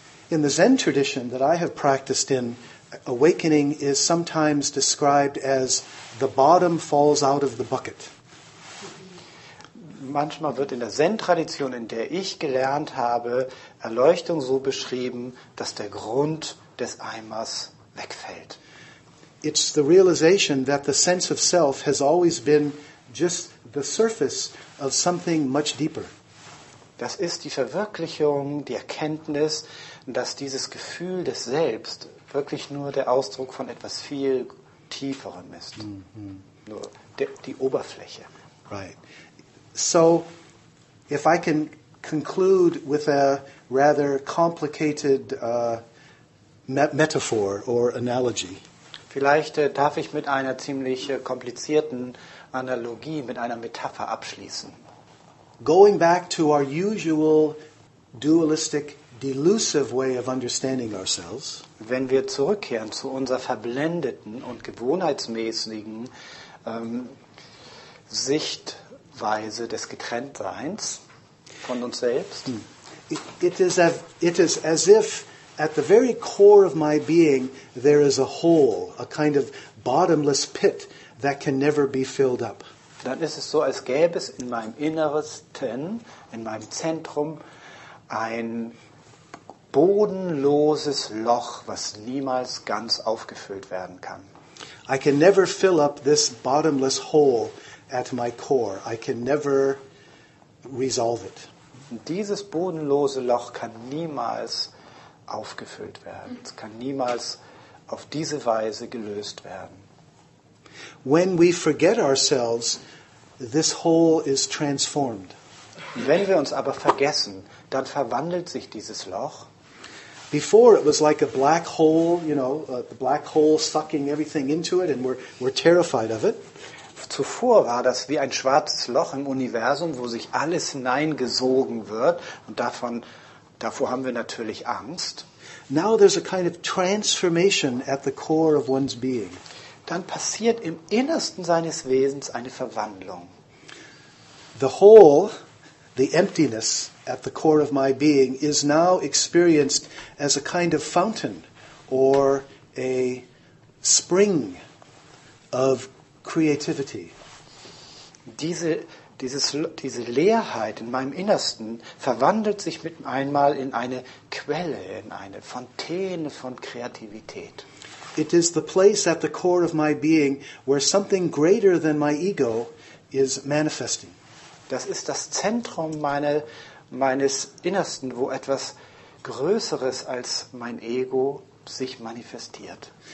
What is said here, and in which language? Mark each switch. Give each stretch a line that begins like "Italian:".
English: In the Zen tradition that I have practiced in, awakening is sometimes described as the bottom falls out of the bucket.
German: Manchmal wird in der Zen-Tradition, in der ich gelernt habe, Erleuchtung so beschrieben, dass der Grund des Eimers wegfällt.
English: It's the realization that the sense of self has always been just the surface of something much deeper.
German: Das ist die Verwirklichung, die Erkenntnis, dass dieses Gefühl des Selbst wirklich nur der Ausdruck von etwas viel Tieferem ist. Mm-hmm. Nur die Oberfläche.
English: Right. So, if I can conclude with a rather complicated metaphor or analogy.
German: Vielleicht darf ich mit einer ziemlich komplizierten Analogie, mit einer Metapher abschließen.
English: Going back to our usual dualistic delusive way of understanding ourselves.
German: Wenn wir zurückkehren zu unserer verblendeten und gewohnheitsmäßigen Sichtweise des Getrenntseins von uns selbst.
English: It is as if at the very core of my being there is a hole, a kind of bottomless pit that can never be filled up.
German: Dann ist es so, als gäbe es in meinem Innersten, in meinem Zentrum, ein bodenloses Loch, was niemals ganz aufgefüllt werden kann.
English: I can never fill up this bottomless hole at my core. I can never resolve it.
German: Dieses bodenlose Loch kann niemals aufgefüllt werden. Es kann niemals auf diese Weise gelöst werden.
English: When we forget ourselves, this hole is transformed.
German: Wenn wir uns aber vergessen, dann verwandelt sich dieses Loch.
English: Before it was like a black hole, you know, the black hole sucking everything into it, and we're terrified of it.
German: Zuvor war das wie ein schwarzes Loch im Universum, wo sich alles hineingesogen wird, und davor haben wir natürlich Angst.
English: Now there's a kind of transformation at the core of one's being.
German: Dann passiert im Innersten seines Wesens eine Verwandlung.
English: The hole, the emptiness at the core of my being is now experienced as a kind of fountain or a spring of creativity.
German: diese Leerheit in meinem Innersten verwandelt sich mit einmal in eine Quelle, in eine Fontäne von Kreativität.
English: It is the place at the core of my being where something greater than my ego is manifesting.
German: Das ist das Zentrum meines Innersten, wo etwas Größeres als mein Ego sich manifestiert.